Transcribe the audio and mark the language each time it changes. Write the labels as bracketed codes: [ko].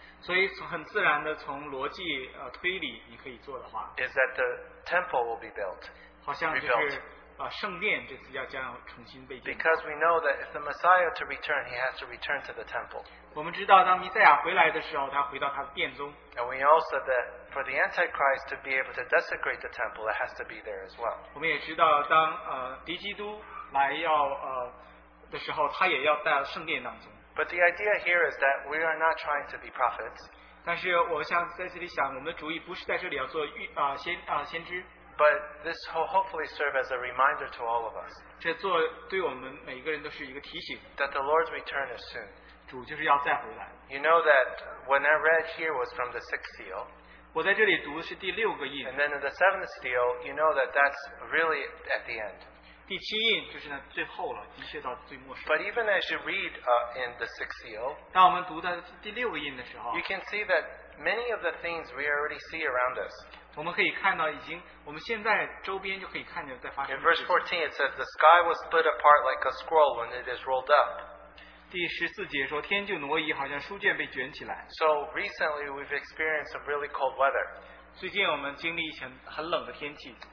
[zh] 所以很自然的从逻辑推理你可以做的话 [en] is that the temple will be built [zh] 好像就是圣殿这次要将重新被建 [en] because we know that if the Messiah to return he has to return to the temple [zh] 我们知道当弥赛亚回来的时候他回到他的殿中 [en] and we also that for the Antichrist to be able to desecrate the temple it has to be there as well [zh] 我们也知道当敌基督来要的时候他也要在圣殿当中 [en] But the idea here is that we are not trying to be prophets. [zh] 但是我想在这里想，我们的主意不是在这里要做先知。 [en] But this will hopefully serve as a reminder to all of us. [zh] 这做对我们每一个人都是一个提醒。 [en] That the Lord's return is soon. [zh] 主就是要再回来。 [en] You know that when I read here was from the sixth seal. [zh] 我在这里读是第六个印。 [en] And then in the seventh seal, you know that that's really at the end. [zh] 第七印就是那最后了，一切到最末世。 [en] But even as you read in the sixth seal, [zh] 当我们读到第六个印的时候 [en] ，you can see that many of the things we already see around us. [zh] 我们可以看到已经，我们现在周边就可以看见在发生。 [en] In verse 14, it says the sky was split apart like a scroll when it is rolled up. [zh] 第十四节说天就挪移，好像书卷被卷起来。 [en] So recently we've experienced some really cold weather. [zh] 最近我们经历一些很冷的天气。